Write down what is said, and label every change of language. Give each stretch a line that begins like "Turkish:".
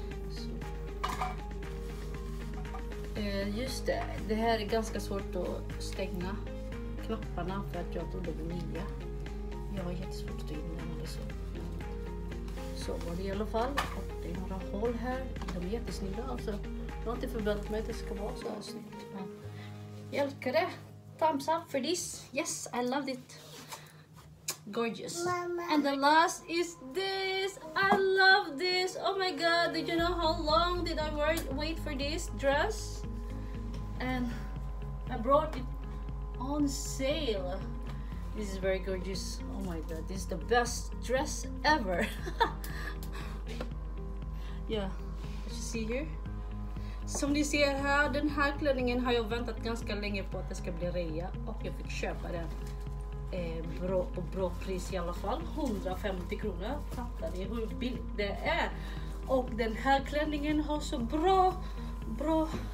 Swedish: So just det, det här är ganska svårt att stänga knapparna för att jag tog det nya. Jag har jättesvårt att stänga den eller så. Så var det i alla fall, och det är några hål här, de är jättesnygga alltså. Jag har inte förväntat mig att det ska vara så här snyggt, men jag älskar det.
English: Thumbs up for this, yes, I loved it. Gorgeous. Mama. And the last is this, I love this, oh my god, did you know how long did I wait for this dress? And I brought it on sale. This is very gorgeous. Oh my god, this is the best dress ever. Yeah, what you see here?
Swedish: Som ni ser här, den här klänningen har jag väntat ganska länge på att det ska bli rea. Och jag fick köpa den på bra pris i alla fall. 150 kronor. Fattar ni hur billigt det är? Och den här klänningen har så bra